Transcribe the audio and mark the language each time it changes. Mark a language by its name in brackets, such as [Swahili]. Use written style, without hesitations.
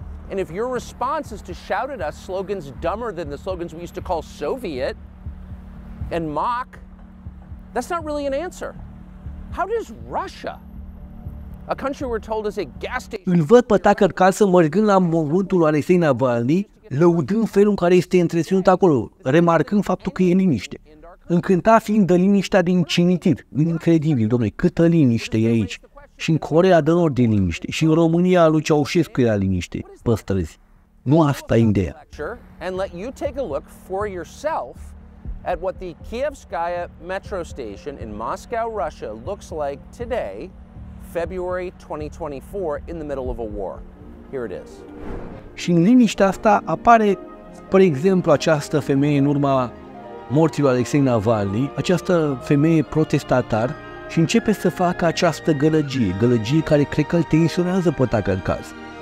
[English] And if your response is to shout at us slogans dumber than the slogans we used to call Soviet and mock, that's not really an answer. How does Russia, a country we're told is a gas station. [Romanian] Îl văd pe Tucker Carlson mergând la mormântul lui Alexei Navalny, lăudând felul în care este întreținut acolo, remarcând faptul că e liniște. Încântat fiind de liniștea din cinitir. Incredibil, domnule, câtă liniște e aici. Și în Coreea de Nord e liniște. Și în România lui Ceaușescu era liniște. Păstrezi. Nu asta e ideea. [English] And let you take a look for yourself at what the Kievskaya metro station in Moscow, Russia looks like today. February 2024 in the middle of a war. Here it is. [Romanian] Și în liniștea asta apare, spre exemplu, această femeie în urma morții lui Alexei Navalny, această femeie protestatar, și începe să facă această gălăgie, gălăgie care cred că îl tensionează pe Tucker Carlson.